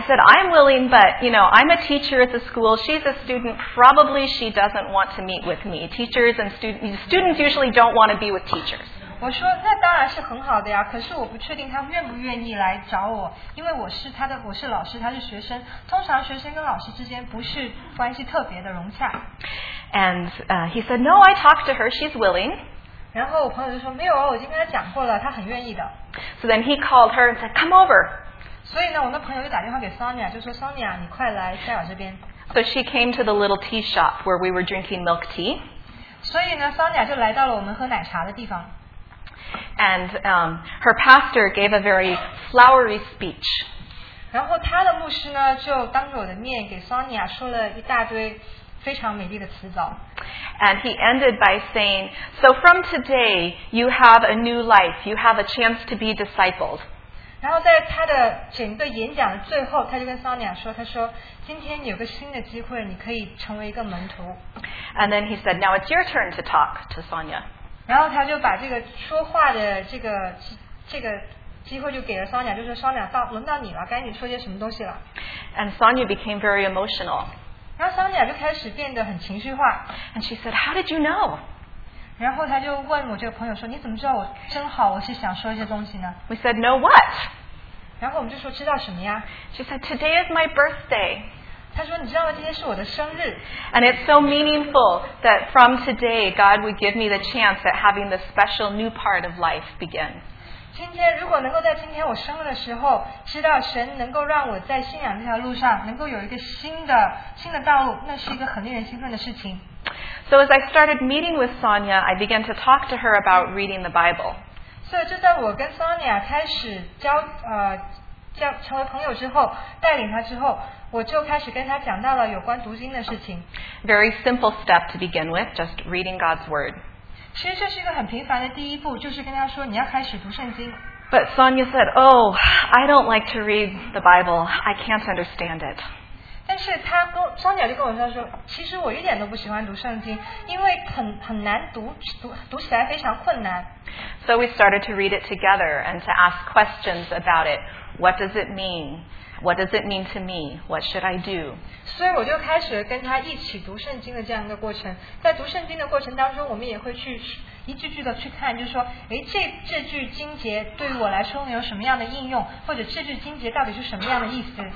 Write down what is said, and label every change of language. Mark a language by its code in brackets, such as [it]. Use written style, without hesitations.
[en] said I'm willing, but you know, I'm a teacher at the school. She's a student. Probably she doesn't want to meet with me. Teachers and students usually don't want to be with teachers. [zh] 我说那当然是很好的呀，可是我不确定他愿不愿意来找我，因为我是他的，我是老师，他是学生。通常学生跟老师之间不是关系特别的融洽。 [en] And he said, "No, I talked to her. She's willing." [zh] 然后我朋友就说没有啊，我已经跟他讲过了，他很愿意的。 [en] So then he called her and said, "Come over." [zh] 所以呢，我那朋友就打电话给Sonia，就说Sonia，你快来Sarah这边。 [en] So she came to the little tea shop where we were drinking milk tea. [zh] 所以呢，Sonia就来到了我们喝奶茶的地方。 [en] And her pastor gave a very flowery speech. [zh] 然后他的牧师呢，就当着我的面给 Sonia 说了一大堆非常美丽的辞藻。 [en] And he ended by saying, "So from today, you have a new life. You have a chance to be discipled." [zh] 然后在他的整个演讲的最后，他就跟桑尼亚说：“他说今天有个新的机会，你可以成为一个门徒。” [en] And then he said, "Now it's your turn to talk to Sonia." [zh] 然后他就把这个说话的这个机会就给了桑尼亚，就说：“桑尼亚，轮到你了，赶紧说些什么东西了。” [en] And Sonia became very emotional. [zh] 然后桑尼亚就开始变得很情绪化。 [en] And she said, "How did you know?" [zh] 然后他就问我这个朋友说：“你怎么知道我真好？我是想说一些东西呢。” [en] We said, "Know what?" [zh] 然后我们就说：“知道什么呀？” [en] She said, "Today is my birthday." [zh] 他说：“你知道吗？今天是我的生日。” [en] And it's so meaningful that from today, God would give me the chance at having this special new part of life begin. [zh] 今天如果能够在今天我生日的时候知道神能够让我在信仰这条路上能够有一个新的道路，那是一个很令人兴奋的事情。 [en] So as I started meeting with Sonia, I began to talk to her about reading the Bible. [zh] 所以就在我跟 Sonia 开始交成为朋友之后，带领她之后，我就开始跟她讲到了有关读经的事情。 [en] Very simple step to begin with, just reading God's Word. [zh] 其实这是一个很平凡的第一步，就是跟他说你要开始读圣经。 [en] But Sonia said, "Oh, I don't like to read the Bible. I can't understand it." [zh] 但是他跟 Sonia 就跟我说，其实我一点都不喜欢读圣经，因为很难读起来非常困难。 [en] So we started to read it together and to ask questions about it. What does it mean? What does it mean to me? What should I do? [zh] 所以我就开始跟他一起读圣经的这样一个过程。在读圣经的过程当中，我们也会去一句句的去看，就是说，哎，这句经节对于我来说有什么样的应用，或者这句经节到底是什么样的意思。